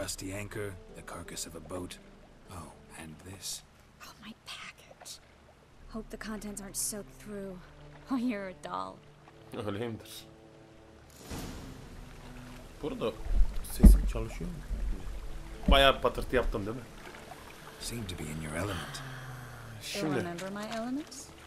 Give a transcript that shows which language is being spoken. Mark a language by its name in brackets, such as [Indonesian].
[English] A rusty anchor, the carcass of a boat. Oh, and this. Oh, my package. Hope the contents aren't soaked through. Oh, you're a doll. [Turkish] Öyleyimdir. Burada sesim çalışıyor mu? Bayağı patırtı yaptım değil mi? [English] Seem to be in your element. [Turkish] Şimdi. [English] They remember my elements?